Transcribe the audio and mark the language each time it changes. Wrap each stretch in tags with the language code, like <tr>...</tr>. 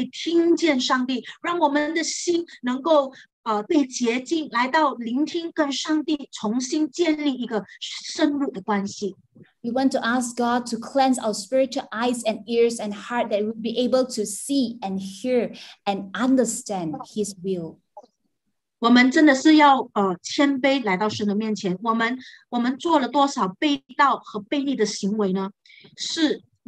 <zh>在这时刻，我们真的要求上帝来到洁净我们的眼睛，洁净我们的耳朵，让我们可以看见上帝，让我们可以听见上帝，让我们的心能够。被洁净，来到聆听，跟上帝重新建立一个深入的关系。</zh> <en>We want to ask God to cleanse our spiritual eyes and ears and heart that we'll be able to see and hear and understand His will.</en> <zh>我们真的是要谦卑来到神的面前。我们做了多少背道和背逆的行为呢？是。</zh>